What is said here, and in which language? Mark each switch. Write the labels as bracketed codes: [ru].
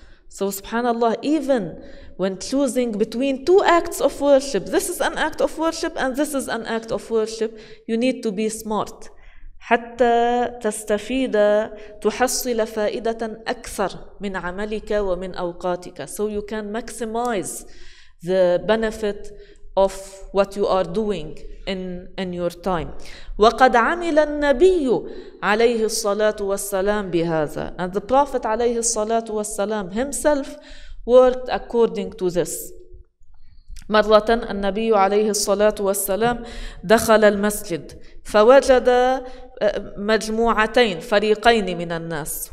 [en] So subhanAllah, even when choosing between two acts of worship, this is an act of worship and this is an act of worship, you need to be smart. [ar] حتى تستفيد تحصل فائدة أكثر من عملك ومن أوقاتك. [en] So you can maximize the benefit of what you are doing in your time. [ar] وقد عمل النبي عليه الصلاة والسلام بهذا. [en] And the Prophet عليه الصلاة والسلام himself worked according to this. [ar] مرة النبي عليه الصلاة والسلام دخل المسجد فوجد مجموعتين فريقين من الناس.